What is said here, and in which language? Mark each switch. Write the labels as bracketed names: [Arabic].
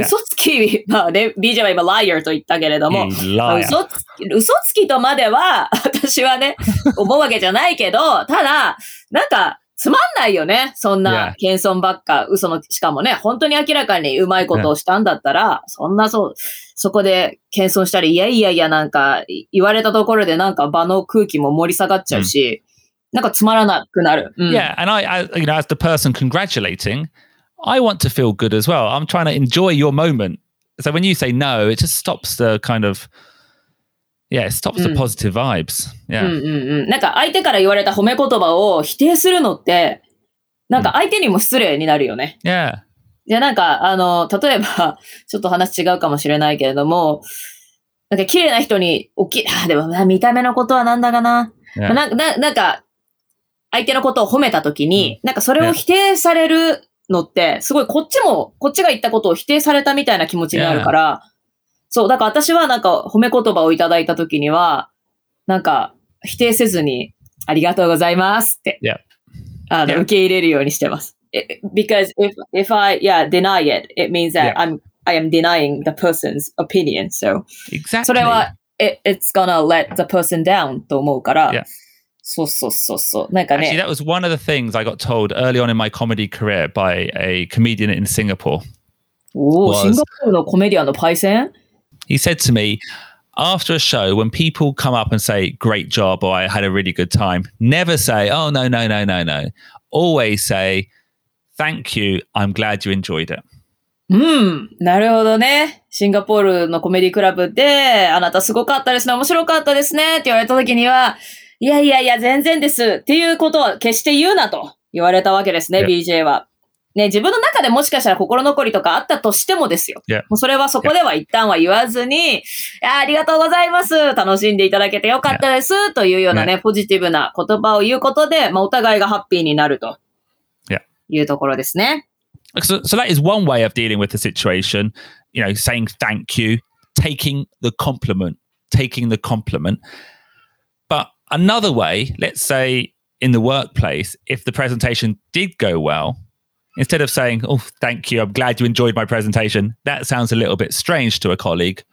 [Japanese] 嘘つき、まあね、BJ は今、liar と言ったけれども、嘘つきとまでは、私はね、思うわけじゃないけど、ただ、なんか、つまんないよね。そんな謙遜ばっか、yeah. 嘘の、しかもね、本当に明らかにうまいことをしたんだったら、yeah. そんなそこで謙遜したり、いやいやいやなんか言われたところでなんか場の空気も盛り下がっちゃうし、mm. なんかつまらなくなる。 Mm. [English] Yeah, and you know, as the person congratulating, I want to feel good as well. I'm trying to enjoy your moment. So when you say no, it just stops the kind of... Yeah, it stops the positive vibes. Yeah. [Japanese] なんか相手から言われた褒め言葉を否定するのって、なんか相手にも失礼になるよね。 [English] Yeah. [Japanese] じゃあなんか、あの、例えば、ちょっと話違うかもしれないけれども、なんか綺麗な人に、おき、あ、でも見た目のことはなんだかな。 [English] Yeah. [Japanese] なんか、相手のことを褒めたときに、mm. なんかそれを否定されるのって、すごいこっちも、こっちが言ったことを否定されたみたいな気持ちになるから、yeah. そう、だから私はなんか褒め言葉をいただいたときには、なんか否定せずに、ありがとうございますって、 [English] yeah. [Japanese] あの yeah. 受け入れるようにしてます。 [English] Because if I yeah, deny it, it means that、yeah. I am denying the person's opinion. So,、 exactly. [Japanese] それは [English] it's gonna let the person down [Japanese] と思うから、 [English] yeah. [Japanese] そうそうそうそう。なんかね。 [English] Actually, that was one of the things I got told early on in my comedy career by a comedian in Singapore. [Japanese] おー、シンガポールのコメディアンのパイセン [English] He said to me, after a show, when people come up and say, great job, or I had a really good time, never say, oh, no, no, no, no, no. Always say, thank you, I'm glad you enjoyed it. [Japanese] なるほどね。シンガポールのコメディクラブで、あなたすごかったですね、面白かったですね、って言われた時には、いやいやいや、全然です、っていうことは決して言うなと言われたわけですね、yep. BJ は。ね、自分の中でもしかしたら心残りとかあったとしてもですよ。 [English] Yeah. [Japanese] もうそれはそこでは一旦は言わずに、yeah. ありがとうございます。楽しんでいただけてよかったです。 Yeah. というようなね、yeah. ポジティブな言葉を言うことで、まあ、お互いがハッピーになるというところですね。 [English] Yeah. So that is one way of dealing with the situation. You know, saying thank you, taking the compliment, taking the compliment. But another way, let's say in the workplace, if the presentation did go well,Instead of saying, oh, thank you, I'm glad you enjoyed my presentation, that sounds a little bit strange to a colleague.